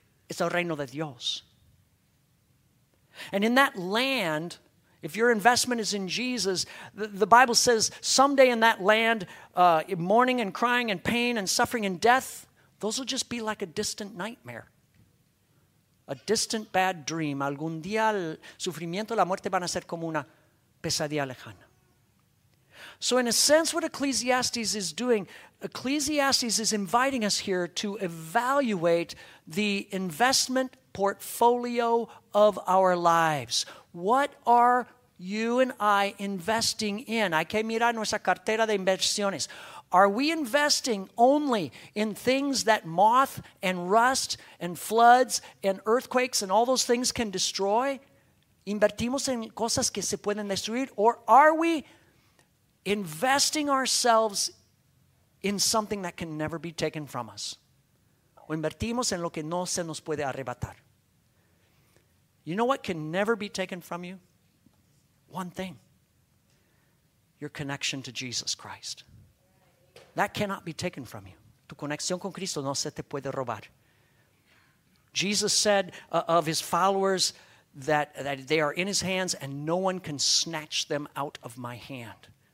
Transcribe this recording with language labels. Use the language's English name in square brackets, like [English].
[Spanish] Es el reino de Dios. [English] And in that land, if your investment is in Jesus, the Bible says someday in that land, mourning and crying and pain and suffering and death, those will just be like a distant nightmare, a distant bad dream. [Spanish] Algún día el sufrimiento y la muerte van a ser como una pesadilla lejana. [English] So in a sense, what Ecclesiastes is doing, Ecclesiastes is inviting us here to evaluate the investment portfolio of our lives. What are you and I investing in? [Spanish] Hay que mirar nuestra cartera de inversiones. [English] Are we investing only in things that moth and rust and floods and earthquakes and all those things can destroy? [Spanish] ¿Invertimos en cosas que se pueden destruir? [English] Or are we investing ourselves in something that can never be taken from us? [Spanish] ¿O invertimos en lo que no se nos puede arrebatar? [English] You know what can never be taken from you? One thing. Your connection to Jesus Christ. That cannot be taken from you. [Spanish] Tu conexión con Cristo no se te puede robar. [English] Jesus said of his followers that they are in his hands and no one can snatch them out of my hand.